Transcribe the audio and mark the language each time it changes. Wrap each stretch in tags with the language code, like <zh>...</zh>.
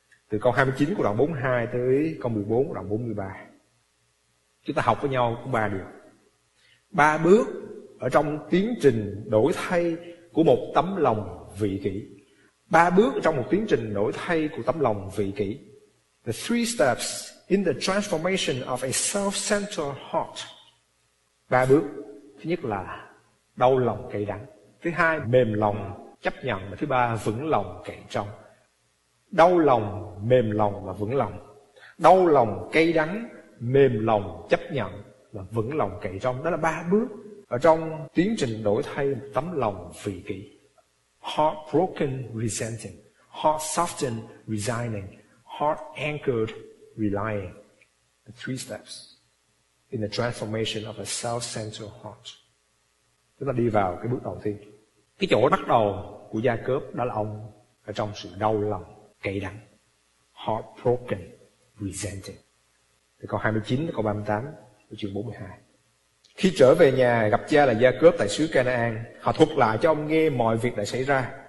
<vi>Từ câu 29 của đoạn 42 tới câu 14 của đoạn 43. Chúng ta học với nhau cũng ba điều. Ba bước ở trong tiến trình đổi thay của một tấm lòng vị kỷ. Ba bước trong một tiến trình đổi thay của tấm lòng vị kỷ.</vi> <en>The three steps in the transformation of a self-centered heart.</en> <vi>Ba bước. Thứ nhất là đau lòng cay đắng. Thứ hai, mềm lòng chấp nhận. Và thứ ba, vững lòng cậy trông. Đau lòng, mềm lòng và vững lòng. Đau lòng cay đắng, mềm lòng chấp nhận và vững lòng cậy trông. Đó là ba bước ở trong tiến trình đổi thay một tấm lòng vị kỷ.</vi> <en>Heart broken, resenting. Heart softened, resigning. Heart anchored, relying. The three steps. in the transformation of a self-centered heart.</en> <vi>Chúng ta đi vào cái bước đầu tiên. Cái chỗ bắt đầu của Gia-cốp đó là ông ở trong sự đau lòng, cay đắng.</vi> <en>Heartbroken, resented.</en> <vi>Thì câu 29, câu 38, câu chương 42. Khi trở về nhà gặp cha là Gia-cốp tại xứ Canaan, họ thuật lại cho ông nghe mọi việc đã xảy ra.</vi>